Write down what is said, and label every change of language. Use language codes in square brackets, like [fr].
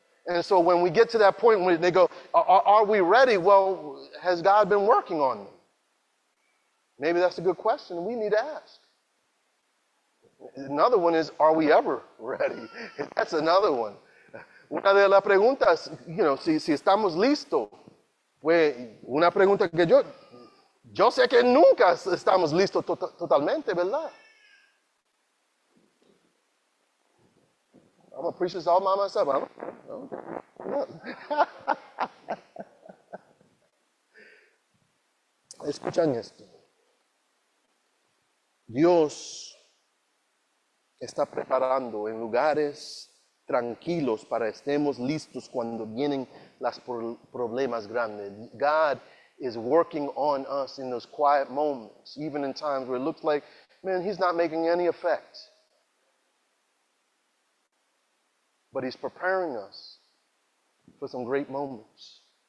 [en] And so when we get to that point where they go, are we ready? Well, has God been working on them? Maybe that's a good question we need to ask. Another one is, are we ever ready? That's another one. [es] Una de las preguntas, [en] you know, [es] si estamos listos, una pregunta que yo sé que nunca estamos listos totalmente, ¿verdad? [en] I'm going to preach this all by myself. [es] Escuchan esto. Dios está preparando en lugares tranquilos para estemos listos cuando vienen las problemas grandes. [en] God is working on us in those quiet moments, even in times where it looks like, man, he's not making any effect. But he's preparing us for some great moments.